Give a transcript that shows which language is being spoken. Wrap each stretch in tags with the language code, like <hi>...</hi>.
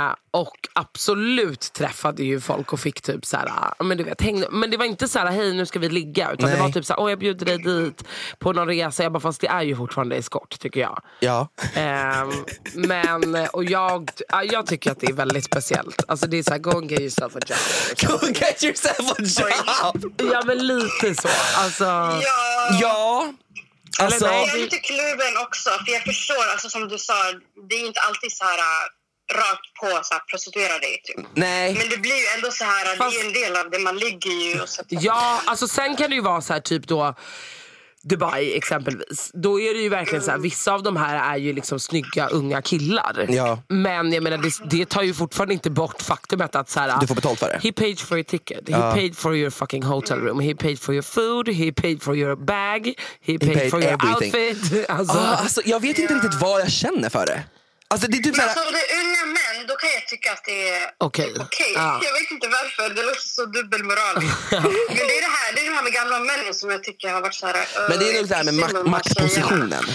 <sv>Och absolut träffade ju folk och fick typ så här, men du vet, hängde, men det var inte så här, hej, nu ska vi ligga, utan nej, det var typ så här, jag bjuder dig dit på någon resa. Jag bara, fast det är ju fortfarande eskort, tycker jag. Ja. Men och jag tycker att det är väldigt speciellt.</sv> <en>Alltså det är så här, go and get yourself a job. Go and get yourself a job.</en> <sv>Ja, men lite så. Alltså ja. Ja. Alltså, jag är lite kluven också, för jag förstår, alltså, som du sa, det är inte alltid så här rakt på så här, prostituera dig typ. Nej. Men det blir ju ändå så här, fast, det är en del av det, man ligger ju och så. Ja, alltså sen kan det ju vara så här typ då Dubai exempelvis. Då är det ju verkligen så här, vissa av de här är ju liksom snygga unga killar. Ja. Men jag menar, det tar ju fortfarande inte bort faktumet att så här, du får betalt för det.</sv> <en>He paid for your ticket. Ja. He paid for your fucking hotel room. He paid for your food. He paid for your bag. He paid for your everything.</en> <sv>Outfit. Alltså jag vet inte riktigt vad jag känner för det. Alltså det är typ så här, men alltså, det är unga män, då kan jag tycka att det är okej. Jag vet inte varför, det låter så dubbelmoral. Men det är det här, det är de här med gamla män som jag tycker har varit så här. Men det är nog så här med maktpositionen.</sv>